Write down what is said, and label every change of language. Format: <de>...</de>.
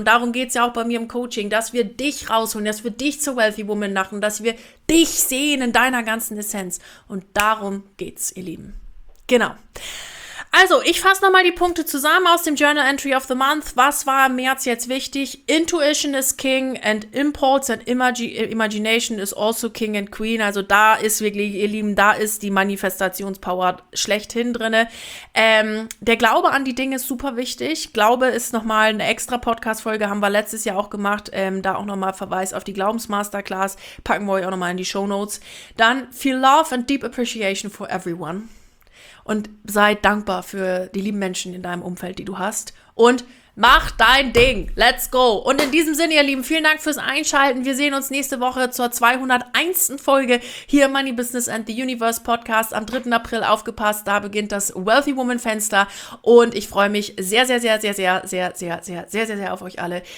<de>Und darum geht es ja auch bei mir im Coaching, dass wir dich rausholen, dass wir dich zur Wealthy Woman machen, dass wir dich sehen in deiner ganzen Essenz. Und darum geht's, ihr Lieben. Genau. Also, ich fasse nochmal die Punkte zusammen aus dem Journal Entry of the Month. Was war im März jetzt wichtig?</de> <en>Intuition is king and impulse and imagination is also king and queen.</en> <de>Also da ist wirklich, ihr Lieben, da ist die Manifestationspower schlechthin drinne. Der Glaube an die Dinge ist super wichtig. Glaube ist nochmal eine extra Podcast-Folge, haben wir letztes Jahr auch gemacht. Da auch nochmal Verweis auf die Glaubensmasterclass. Packen wir euch auch nochmal in die Shownotes. Dann</de> <en>feel love and deep appreciation for everyone.</en> <de>Und sei dankbar für die lieben Menschen in deinem Umfeld, die du hast. Und mach dein Ding.</de> <en>Let's go.</en> <de>Und in diesem Sinne, ihr Lieben, vielen Dank fürs Einschalten. Wir sehen uns nächste Woche zur 201. Folge hier im Money Business and the Universe Podcast. Am 3. April, aufgepasst, da beginnt das Wealthy Woman Fenster. Und ich freue mich sehr, sehr, sehr, sehr, sehr, sehr, sehr, sehr, sehr, sehr, sehr auf euch alle.</de>